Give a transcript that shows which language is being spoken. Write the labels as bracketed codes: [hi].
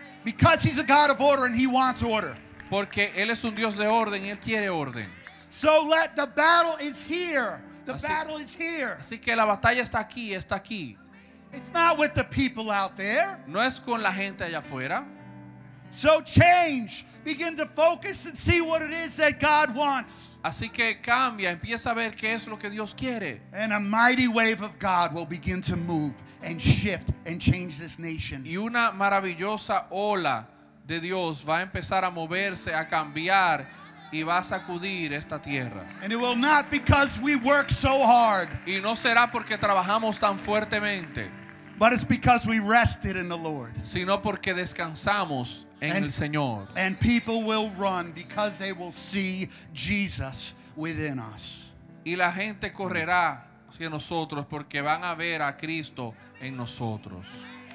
[en] Because He's a God of order and He wants order. [es] Porque Él es un Dios de orden y Él quiere orden. [en] So let the battle is here. The [es] así, [en] battle is here. [es] Así que la batalla está aquí, está aquí. [en] It's not with the people out there. [es] No es con la gente allá afuera. [en] So change. Begin to focus and see what it is that God wants. [es] Así que cambia, empieza a ver qué es lo que Dios quiere. [en] And a mighty wave of God will begin to move and shift and change this nation. [es] Y una maravillosa ola de Dios va a empezar a moverse, a cambiar y va a sacudir esta tierra. [en] And it will not because we work so hard. [es] Y no será porque trabajamos tan fuertemente. [en] But it's because we rested in the Lord. [es] Sino porque descansamos en el Señor. [en] And people will run because they will see Jesus within us. [es] Y la gente correrá hacia nosotros porque van a ver a Cristo en nosotros.